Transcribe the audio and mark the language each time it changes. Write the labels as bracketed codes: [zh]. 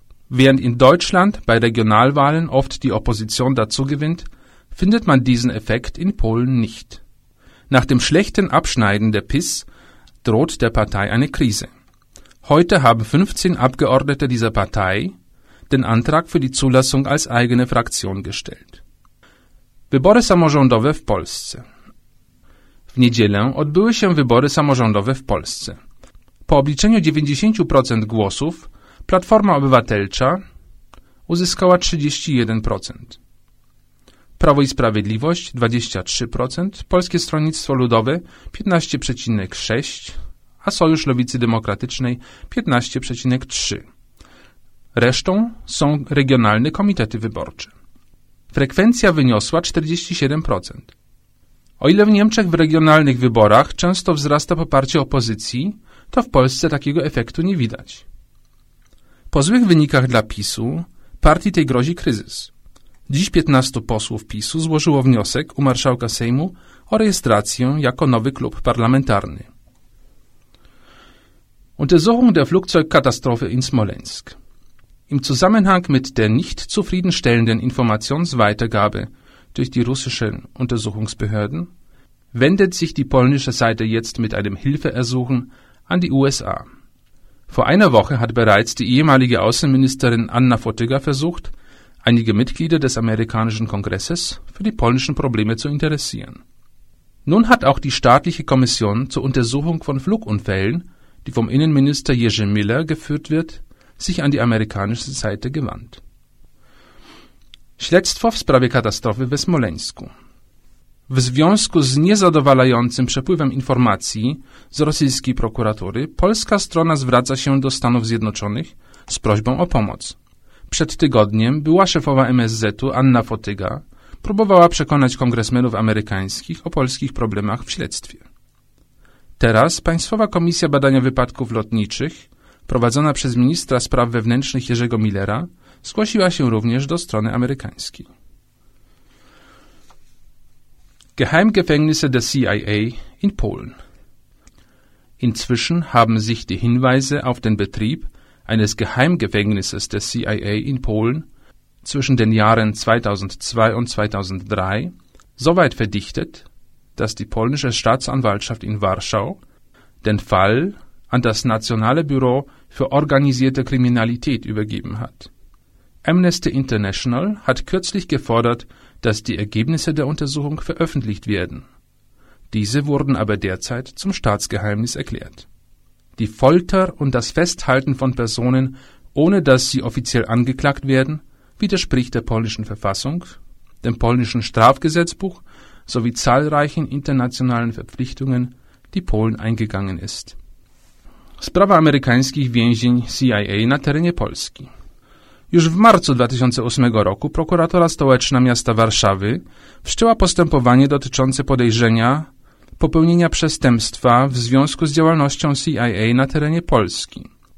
[de] Während in Deutschland bei Regionalwahlen oft die Opposition dazu gewinnt, findet man diesen Effekt in Polen nicht. Nach dem schlechten Abschneiden der PiS droht der Partei eine Krise. Heute haben 15 Abgeordnete dieser Partei den Antrag für die Zulassung als eigene Fraktion gestellt. [pl] Wybory samorządowe w Polsce. W niedzielę odbyły się wybory samorządowe w Polsce. Po obliczeniu 90% głosów Platforma Obywatelcza uzyskała 31%. Prawo i Sprawiedliwość 23%, Polskie Stronnictwo Ludowe 15,6%, a Sojusz Lewicy Demokratycznej 15,3%. Resztą są regionalne komitety wyborcze. Frekwencja wyniosła 47%. O ile w Niemczech w regionalnych wyborach często wzrasta poparcie opozycji, to w Polsce takiego efektu nie widać. Po złych wynikach dla PiS-u partii tej grozi kryzys. Dziś 15 posłów PiS-u złożyło wniosek u marszałka Sejmu o rejestrację jako nowy klub parlamentarny. [de] Untersuchung der Flugzeugkatastrophe in Smolensk. Im Zusammenhang mit der nicht zufriedenstellenden Informationsweitergabe durch die russischen Untersuchungsbehörden wendet sich die polnische Seite jetzt mit einem Hilfeersuchen an die USA. Vor einer Woche hat bereits die ehemalige Außenministerin Anna Fotyga versucht, einige Mitglieder des amerikanischen Kongresses für die polnischen Probleme zu interessieren. Nun hat auch die staatliche Kommission zur Untersuchung von Flugunfällen, die vom Innenminister Jerzy Miller geführt wird, sich an die amerikanische Seite gewandt. [pl] Śledztwo w sprawie katastrofy we Smoleńsku. W związku z niezadowalającym przepływem informacji z rosyjskiej prokuratury, polska strona zwraca się do Stanów Zjednoczonych z prośbą o pomoc. Przed tygodniem była szefowa MSZ-u Anna Fotyga próbowała przekonać kongresmenów amerykańskich o polskich problemach w śledztwie. Teraz Państwowa Komisja Badania Wypadków Lotniczych, prowadzona przez ministra spraw wewnętrznych Jerzego Millera, zgłosiła się również do strony amerykańskiej. [de] Geheimgefängnisse der CIA in Polen. Inzwischen haben sich die Hinweise auf den Betrieb eines Geheimgefängnisses der CIA in Polen zwischen den Jahren 2002 und 2003 so weit verdichtet, dass die polnische Staatsanwaltschaft in Warschau den Fall an das Nationale Büro für organisierte Kriminalität übergeben hat. Amnesty International hat kürzlich gefordert, dass die Ergebnisse der Untersuchung veröffentlicht werden. Diese wurden aber derzeit zum Staatsgeheimnis erklärt. Die Folter und das Festhalten von Personen, ohne dass sie offiziell angeklagt werden, widerspricht der polnischen Verfassung, dem polnischen Strafgesetzbuch sowie zahlreichen internationalen Verpflichtungen, die Polen eingegangen ist. [pl] Sprawa amerykańskich więzień CIA na terenie Polski. Już w marcu 2008 roku prokuratura stołeczna miasta Warszawy wszczęła postępowanie dotyczące podejrzenia popełnienia przestępstwa w związku z działalnością CIA na terenie Polski.